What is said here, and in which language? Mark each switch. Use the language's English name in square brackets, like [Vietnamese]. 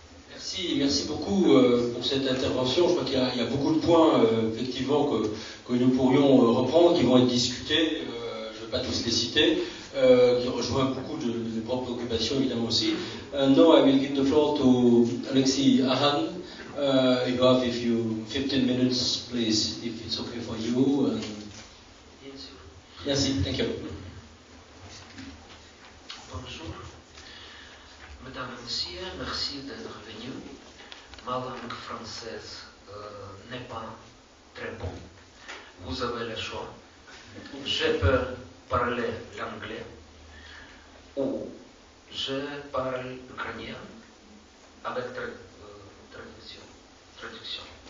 [French] Merci, merci beaucoup pour cette intervention. Je crois qu'il y a beaucoup de points, effectivement, que nous pourrions reprendre, qui vont être discutés. Je ne vais pas tous les citer, qui rejoint beaucoup de mes propres préoccupations, évidemment aussi. [English] Now I will give the floor to Alexis Aran. You have if you 15 minutes, please, if it's okay for you. [French] Bien sûr. Merci, [English] thank you. [French] Bonjour, Madame Monsieur, merci d'être venu. Ma langue française n'est pas très bonne. Vous avez le choix. Je peux parler l'anglais ou je parle ukrainien avec traduction.